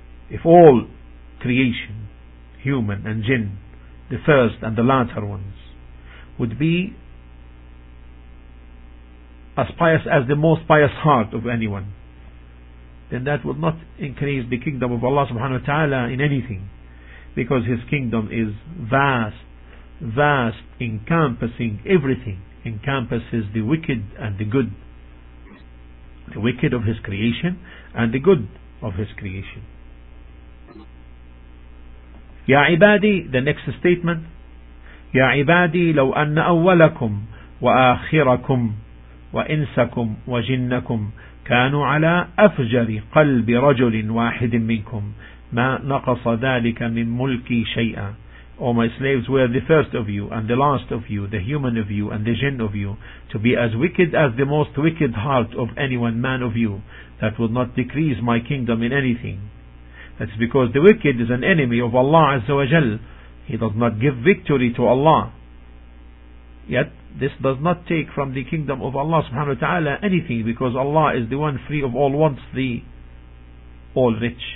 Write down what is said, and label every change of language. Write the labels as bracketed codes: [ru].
[en] If all creation, human and jinn, the first and the latter ones, would be as pious as the most pious heart of anyone, then that would not increase the kingdom of Allah subhanahu wa ta'ala in anything, because His kingdom is vast, vast, encompassing everything, encompasses the wicked and the good, the wicked of His creation and the good of His creation. [ar] يا عبادي, [en] the next statement, [ar] يا عبادي لو أن أولكم وآخركم وإنسكم وجنكم كانوا على أفجر قلب رجل واحد منكم ما نقص ذلك من ملكي شيئا. [en] Oh, my slaves were the first of you and the last of you, the human of you and the jinn of you, to be as wicked as the most wicked heart of anyone man of you. That would not decrease my kingdom in anything. That's because the wicked is an enemy of Allah Azza wa Jal. He does not give victory to Allah. Yet, this does not take from the kingdom of Allah subhanahu wa ta'ala anything, because Allah is the one free of all wants, the all rich.